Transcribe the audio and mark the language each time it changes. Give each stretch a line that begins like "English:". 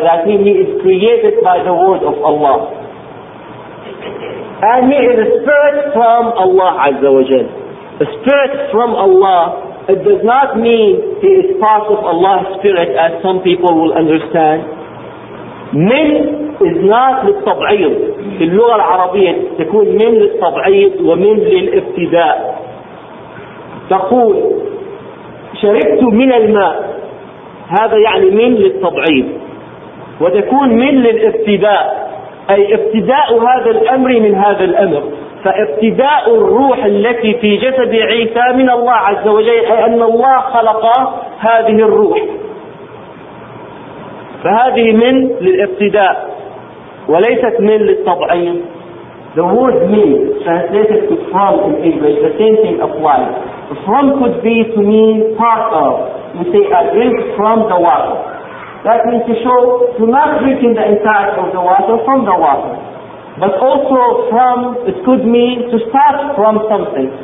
English: That means he is created by the word of Allah. And he is a spirit from Allah azza wa jal. A spirit from Allah. It does not mean he is part of Allah's spirit, as some people will understand. Min is not للتبعيد.
Arabic: في اللغة العربية تكون من للتبعيد ومن للابتداء. تقول شربت من الماء. هذا يعني من للتبعيد. وتكون من للابتداء. أي ابتداء هذا الأمر من هذا الأمر. فابتداء الروح التي في جسد عيسى من الله عز وجل، أي أن الله خلق هذه الروح، فهذه من للابتداء وليست من للتبعيد.
English: The word mean translated to from in English, the same thing applies. From could be to mean part of. You say a drink from the water. That means to show to not drinking the entire of the water, from the water. But also from, it could mean to start from something.